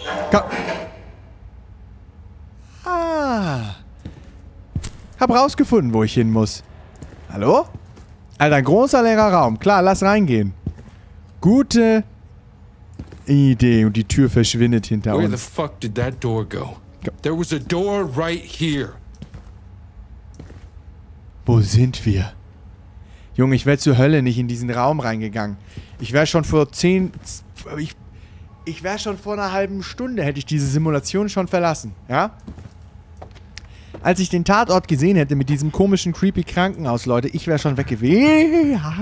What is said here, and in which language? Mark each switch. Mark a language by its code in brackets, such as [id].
[de] Komm. Ah. Hab rausgefunden, wo ich hin muss. Hallo? Alter, ein großer leerer Raum. Klar, lass reingehen. Gute Idee. Und die Tür verschwindet hinter uns. [en] Where the fuck did that door go? There was a door right here. [de] Wo sind wir? Junge, ich wäre zur Hölle nicht in diesen Raum reingegangen. Ich wäre schon vor zehn... Ich wäre schon vor einer halben Stunde, hätte ich diese Simulation schon verlassen, ja? Als ich den Tatort gesehen hätte mit diesem komischen, creepy Krankenhaus, Leute, ich wäre schon weg gewesen.